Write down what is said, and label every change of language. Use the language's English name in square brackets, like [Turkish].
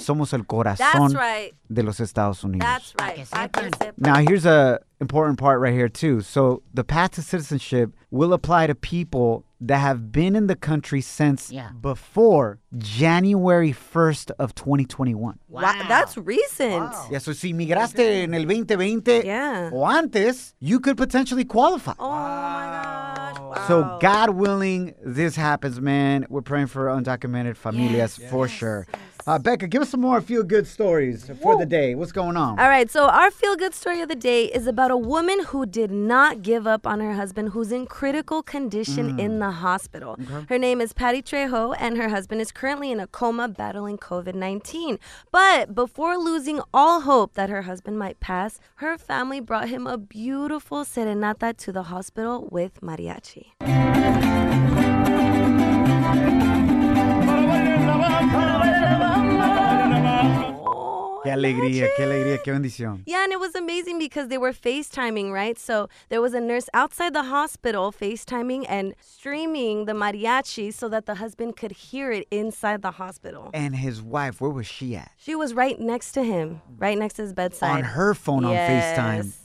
[Spanish] Somos el corazón de los Estados Unidos. [English] That's right. Now here's a important part right here too. So the path to citizenship will apply to people that have been in the country since before January 1st of 2021. Wow. That's recent. Wow. Yeah, so [Spanish] si migraste en el 2020 o antes, [English] you could potentially qualify. Oh, my gosh. Wow. So God willing, this happens, man. We're praying for undocumented familias for sure. Becca, give us some more feel-good stories for the day. What's going on? All right, so our feel-good story of the day is about a woman who did not give up on her husband who's in critical condition in the hospital. Okay. Her name is Patty Trejo, and her husband is currently in a coma battling COVID-19. But before losing all hope that her husband might pass, her family brought him a beautiful serenata to the hospital with mariachi. [Spanish] Qué alegría, qué alegría, qué bendición. [English] Yeah, and it was amazing because they were FaceTiming, right? So there was a nurse outside the hospital FaceTiming and streaming the mariachi so that the husband could hear it inside the hospital. And his wife, where was she at? She was right next to him, right next to his bedside. On her phone on FaceTime.